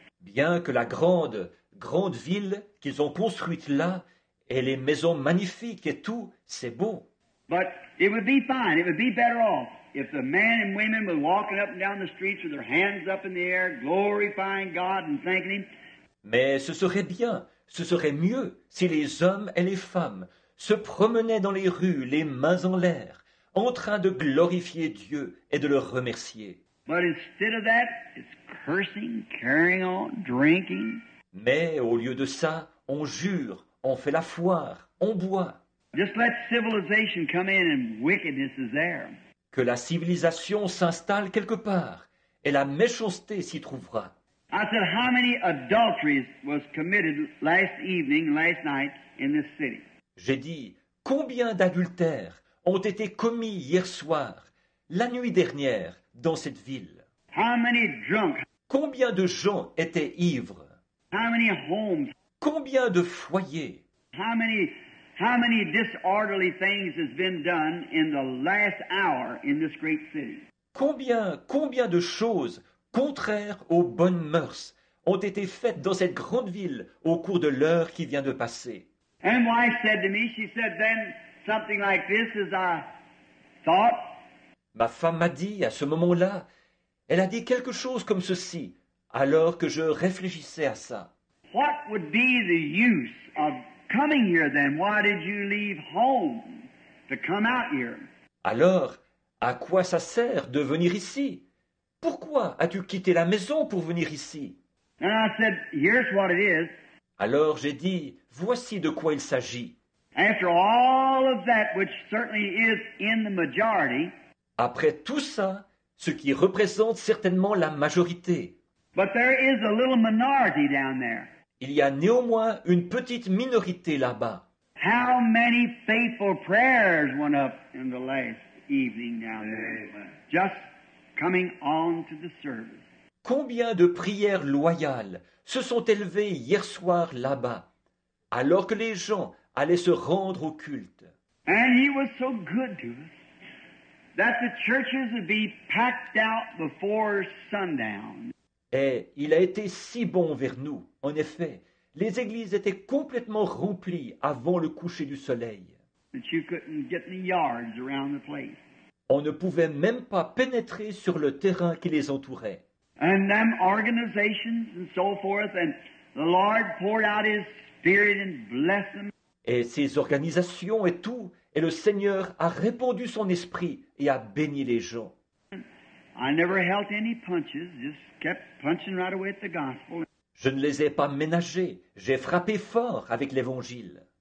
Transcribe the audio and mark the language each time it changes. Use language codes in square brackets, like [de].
[fr] Bien que la grande ville qu'ils ont construite là et les maisons magnifiques et tout, c'est beau. [en] But it would be fine. It would be better off if the men and women were walking up and down the streets with their hands up in the air, glorifying God and thanking Him. [fr] Mais ce serait bien, ce serait mieux si les hommes et les femmes se promenaient dans les rues, les mains en l'air, en train de glorifier Dieu et de le remercier. [en] But instead of that, it's cursing, carrying on, drinking. [fr] Mais au lieu de ça, on jure, on fait la foire, on boit. [en] Just let civilization come in and wickedness is there. [fr] Que la civilisation s'installe quelque part et la méchanceté s'y trouvera. [en] I said, how many adulteries was committed last evening, last night in this city? [fr] J'ai dit, combien d'adultères ont été commis hier soir, la nuit dernière, dans cette ville. [en] How many drunk? [fr] Combien de gens étaient ivres? [en] How many homes? [fr] Combien de foyers? [en] How many disorderly things has been done in the last hour in this great city? [fr] Combien de choses contraires aux bonnes mœurs ont été faites dans cette grande ville au cours de l'heure qui vient de passer? [en] And my wife said to me, she said then, something like this is a thought. [fr] Ma femme m'a dit à ce moment-là, elle a dit quelque chose comme ceci, alors que je réfléchissais à ça. [en] What would be the use of coming here then? Why did you leave home to come out here? [fr] Alors, à quoi ça sert de venir ici? Pourquoi as-tu quitté la maison pour venir ici? [en] And I said, here's what it is. [fr] Alors j'ai dit, voici de quoi il s'agit. [en] After all of that, which certainly is in the majority, [fr] après tout ça, ce qui représente certainement la majorité, [en] but there is a little minority down there. [fr] Il y a néanmoins une petite minorité là-bas. [en] How many faithful prayers went up in the last evening down there? Just coming on to the service. [fr] Combien de prières loyales se sont élevées hier soir là-bas, alors que les gens allait se rendre au culte. [en] And he was so good to us that the churches would be packed out before sundown. [fr] Et il a été si bon vers nous. En effet, les églises étaient complètement remplies avant le coucher du soleil. [en] That you couldn't get any yards around the place. [fr] On ne pouvait même pas pénétrer sur le terrain qui les entourait. [en] And them organizations and so forth, and the Lord poured out his spirit and blessed them. [fr] Et ses organisations et tout, et le Seigneur a répandu son esprit et a béni les gens. [en] I never held any punches, just kept punching right away at the gospel. [fr] Je ne les ai pas ménagés, j'ai frappé fort avec l'Évangile.